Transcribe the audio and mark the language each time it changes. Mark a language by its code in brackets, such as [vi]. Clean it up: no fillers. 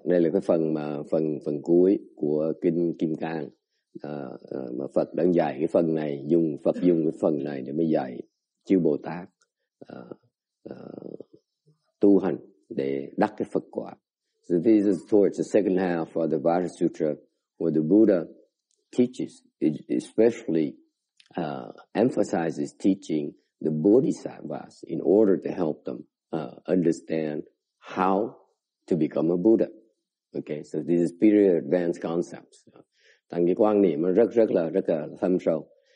[vi] Đây là cái phần mà phần cuối của kinh Kim Cang. Mà Phật đang dạy cái phần này, Phật dùng cái phần này để mới dạy chư Bồ Tát tu hành để đắc cái Phật quả. [en] So this is towards the second half of the Vajra Sutra, where the Buddha teaches, especially emphasizes teaching the Bodhisattvas in order to help them understand how to become a Buddha. Okay, so this is pretty advanced concepts. [vi] Tăng cái quan niệm rất là thâm sâu.